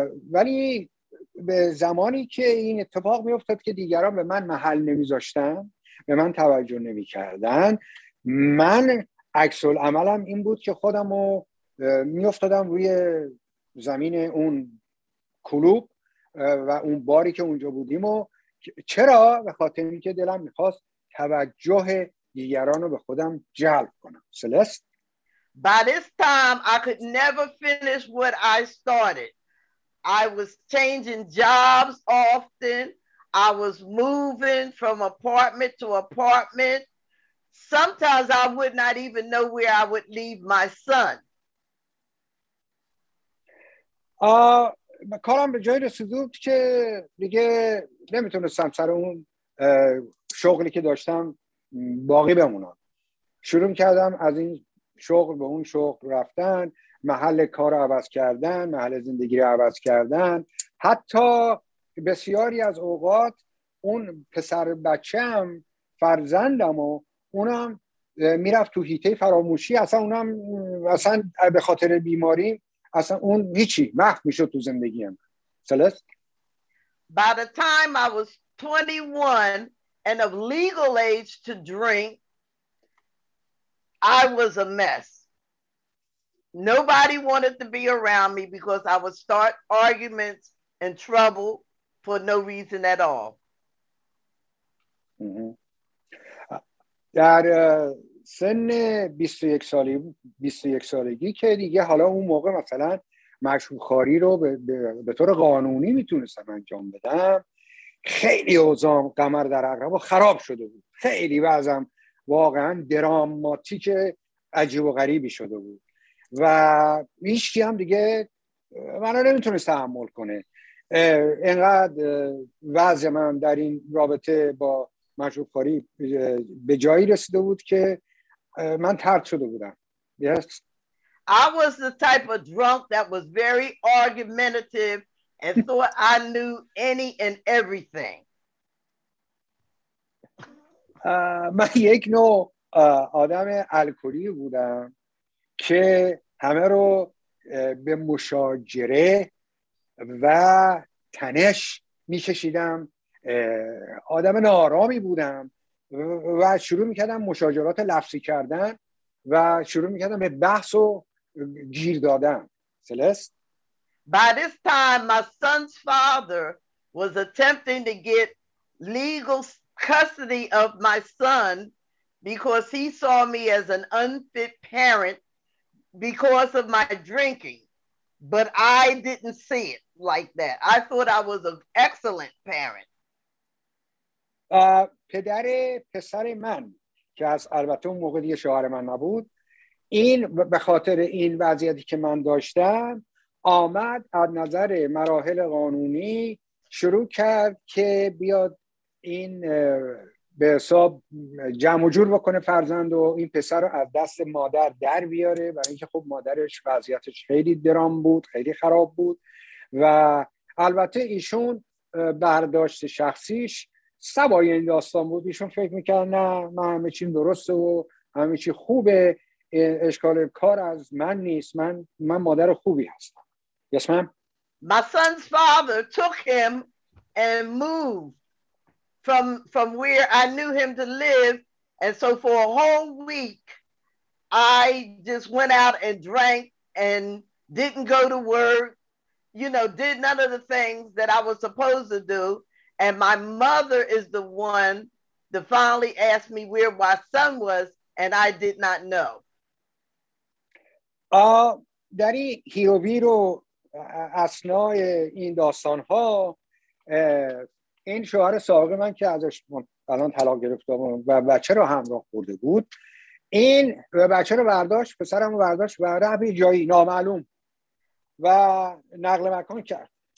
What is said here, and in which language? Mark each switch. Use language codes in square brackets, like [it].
[fa] ولی به زمانی که این اتفاق میافتاد که دیگران به من محل نمیذاشتن، به من توجه نمیکردن، من عکس العملم این بود که خودم رو میافتادم روی زمین اون کلوب و اون باری که اونجا بودیم. و چرا؟ به خاطر این که دلم میخواست توجه دیگران رو به خودم جلب کنم. سلست، [en] By this time, I could never finish what I started. I was changing jobs often. I was moving from apartment to apartment. Sometimes I would not even know where I would leave my son. [fa] کارم به جایی رسید که دیگه نمیتونستم سر اون شغلی که داشتم باقی بمونم. شروع کردم از این شغل به اون شغل رفتن، محل کار عوض کردن، محل زندگی رو عوض کردن، حتی بسیاری از اوقات اون پسر بچه‌ام فرزندم و اونم میرفت تو حیطه فراموشی، اصلا اونم اصلا به خاطر بیماری اصلا اون هیچی محو میشد تو زندگیم. سلست، [en] By the time I was 21 and of legal age to drink, I was a mess. Nobody wanted to be around me because I would start arguments and trouble for no reason at all. [fa] در سن 21 سالگی که دیگه حالا اون موقع مثلا مشروب‌خواری رو به طور قانونی میتونستم انجام بدم، خیلی اوضاع قمر در عقرب خراب شده بود، خیلی وضعم واقعا دراماتیک عجیب و غریبی شده بود و هیچکی هم دیگه من رو نمیتونست تحمل کنه. اینقدر وضع من در این رابطه با مشروب‌خواری به جایی رسیده بود که من طرد شده بودم. [en] Yes. I was the type of drunk that was very argumentative and thought I knew any and everything. [fa] من یک نوع آدم الکلی بودم که همه رو به مشاجره و تنش می‌کشیدم. آدم نارامی بودم و شروع می‌کردم مشاجرات لفظی کردن و شروع می‌کردم به بحث و گیر دادن. سلست؟ [en] By this time my son's father was attempting to get legal custody of my son because he saw me as an unfit parent because of my drinking. But I didn't see it like that. I thought I was an excellent parent. [fa] پدر پسر من که از البته اون موقع دیگه شوهر من نبود، این به خاطر این وضعیتی که من داشتم آمد از نظر مراحل قانونی شروع کرد که بیاد این به حساب جمع جور بکنه فرزند و این پسر رو از دست مادر در بیاره، برای اینکه خب مادرش وضعیتش خیلی درام بود، خیلی خراب بود و البته ایشون برداشت شخصیش سوای این داستان بود. ایشون فکر میکرد نه من همه چیم درسته و همه چی خوبه، اشکال کار از من نیست، من مادر خوبی هستم. [en] Yes, ma'am. My son's father took him and moved from where I knew him to live, and so for a whole week I just went out and drank and didn't go to work, you know, did none of the things that I was supposed to do, and my mother is the one that finally asked me where my son was and I did not know. [fa] دری هیوی رو اثنای این داستان ها این شوهر سابق من که ازش الان طلاق گرفته بود و بچه رو همراه برده بود، این بچه رو برداشت، پسرم رو برداشت و رفت جایی نامعلوم و نقل مکان کرد.